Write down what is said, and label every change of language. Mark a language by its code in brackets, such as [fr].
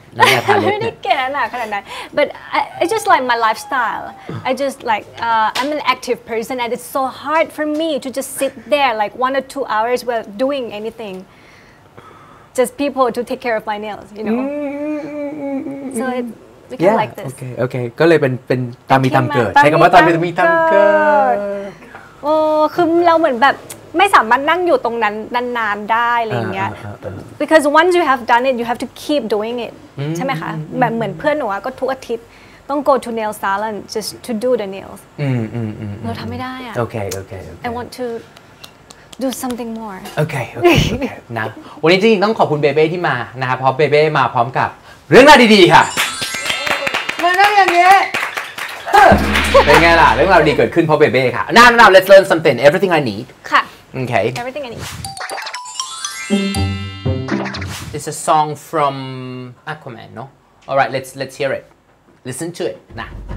[th] น้ำลายพาเล็บเนี่ยเกลียดอะไรหนาขนาดนั้น [en] but I just like my lifestyle I just like I'm an active person and it's so hard for me to just sit there like 1 or 2 hours without doing anything just people to take care of my nails you know so it became yeah, like this [th] okay ก็เลยเป็นตามมีตามเกิดใช้คำว่าตามมีตามเกิด โอ้คือเราเหมือนแบบไม่สามารถนั่งอยู่ตรงนั้นนานๆได้อะไรเงี้ย [en] because once you have done it you have to keep doing it [th] ใช่ไหมคะแบบเหมือนเพื่อนหนูก็ทุกอาทิตย์ต้อง [en] go to nail salon just to do the nails [th] เราทำไม่ได้อะ [en] okay I want to do something more [th] okay นะวันนี้จริงๆต้องขอบคุณเบเบ้ที่มานะครับเพราะเบเบ้มาพร้อมกับเรื่องราวดีๆค่ะมานั่งอย่างนี้เป็นไงล่ะเรื่องราวดีเกิดขึ้นเพราะเบเบ้ค่ะน้าๆ [en] let's learn something everything I need [th] ค่ะ โอเค [en] everything I need it's a song from Aquaman no all right let's hear it listen to it นะ